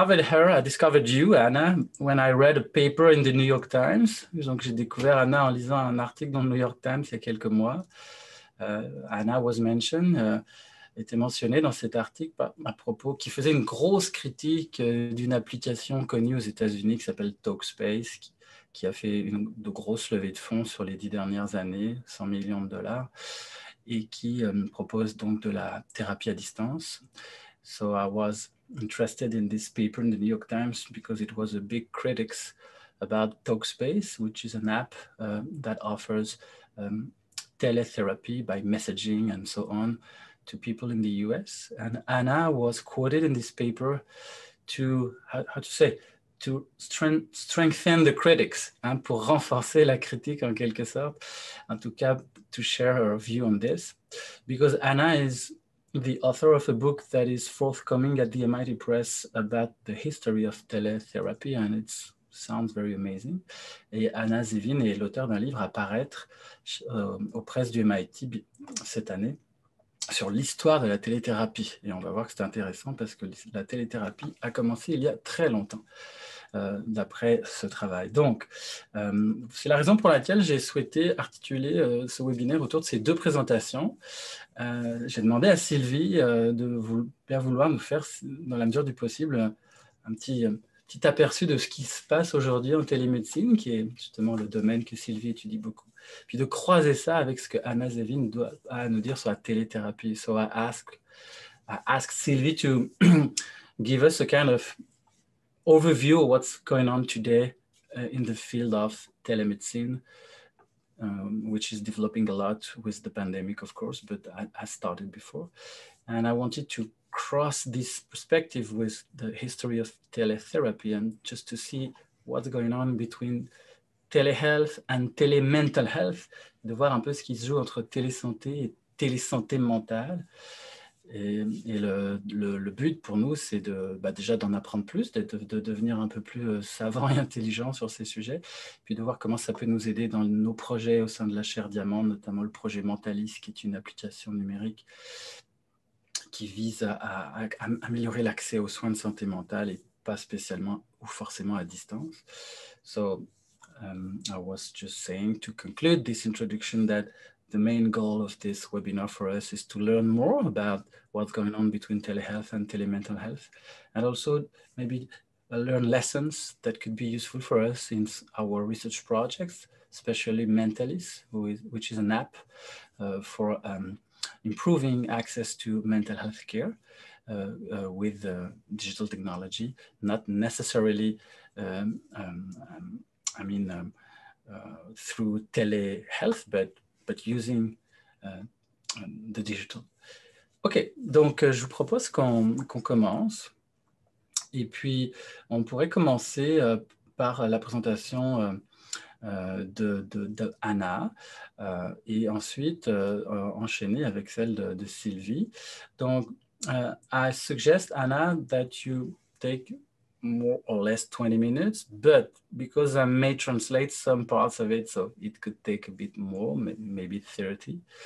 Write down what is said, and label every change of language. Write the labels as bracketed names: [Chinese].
[English] I discovered you, Anna, when I read a paper in the New York Times. [French] Donc, j'ai découvert Anna en lisant un article dans le New York Times il y a quelques mois. [English] Anna was mentioned, [French] était mentionnée dans cet article à propos, qui faisait une grosse critique d'une application connue aux États-Unis qui s'appelle Talkspace, qui a fait de grosses levées de fonds sur les 10 dernières années, 100 millions de dollars, et qui propose donc de la thérapie à distance. [English] So I was interested in this paper in the New York Times because it was a big critics about Talkspace, which is an app that offers teletherapy by messaging and so on to people in the US. And Anna was quoted in this paper to, to strengthen the critics, [French] hein, pour renforcer la critique en quelque sorte, en tout cas [English] to share her view on this, because Anna is the author of a book that is forthcoming at the MIT Press about the history of teletherapy, and it sounds very amazing. [French] Et Anna Zevin est l'auteur d'un livre à paraître aux presses du MIT cette année sur l'histoire de la télétherapie, et on va voir que c'est intéressant parce que la télétherapie a commencé il y a très longtemps. D'après ce travail. Donc, c'est la raison pour laquelle j'ai souhaité articuler ce webinaire autour de ces deux présentations. J'ai demandé à Sylvie de bien vouloir nous faire, dans la mesure du possible, un petit aperçu de ce qui se passe aujourd'hui en télémédecine, qui est justement le domaine que Sylvie étudie beaucoup, puis de croiser ça avec ce que Anna Zevin a à nous dire sur la télétherapie. [English] So I ask Sylvie to give us a kind of overview of what's going on today in the field of telemedicine, which is developing a lot with the pandemic, of course, but I started before. And I wanted to cross this perspective with the history of teletherapy and just to see what's going on between telehealth and telemental health, [French] de voir un peu ce qui se joue entre télésanté et télésanté mentale. Et le but pour nous, c'est déjà d'en apprendre plus, de devenir un peu plus savant et intelligent sur ces sujets, puis de voir comment ça peut nous aider dans nos projets au sein de la chaire Diamant, notamment le projet Mentalis, qui est une application numérique qui vise à améliorer l'accès aux soins de santé mentale et pas spécialement ou forcément à distance. [English] So, I was just saying to conclude this introduction that the main goal of this webinar for us is to learn more about what's going on between telehealth and telemental health, and also maybe learn lessons that could be useful for us in our research projects, especially Mentalis, which is an app for improving access to mental health care with digital technology, not necessarily, through telehealth, but using the digital. [French] OK, donc je vous propose qu'on commence. Et puis, on pourrait commencer par la présentation de Anna et ensuite enchaîner avec celle de Sylvie. [English] Donc, I suggest, Anna, that you take more or less 20 minutes, but because I may translate some parts of it, so it could take a bit more, maybe 30.